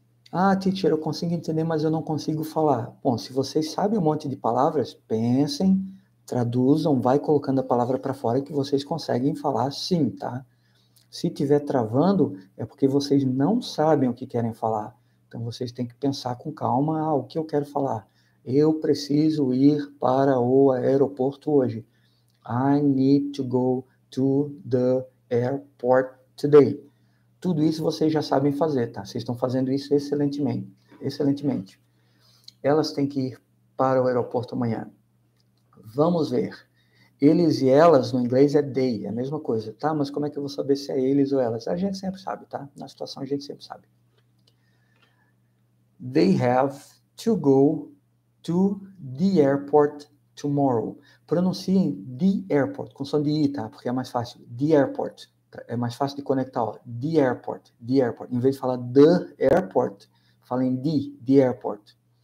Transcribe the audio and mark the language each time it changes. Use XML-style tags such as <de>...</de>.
<pt>Ah, teacher, eu consigo entender, mas eu não consigo falar. Bom, se vocês sabem um monte de palavras, pensem, traduzam, vai colocando a palavra para fora que vocês conseguem falar sim, tá? Se tiver travando, é porque vocês não sabem o que querem falar. Então vocês têm que pensar com calma, ah, o que eu quero falar? Eu preciso ir para o aeroporto hoje.</pt> <en>I need to go to the airport today.</en> <pt>Tudo isso vocês já sabem fazer, tá? Vocês estão fazendo isso excelentemente, excelentemente. Elas têm que ir para o aeroporto amanhã. Vamos ver. Eles e elas no inglês é they, é a mesma coisa, tá? Mas como é que eu vou saber se é eles ou elas? A gente sempre sabe, tá? Na situação a gente sempre sabe.</pt> <en>They have to go to the airport tomorrow.</en> <pt>Pronunciem the airport com som de i, tá? Porque é mais fácil. The airport. É mais fácil de conectar, ó. The airport. Em vez de falar the airport, falem the airport.</pt>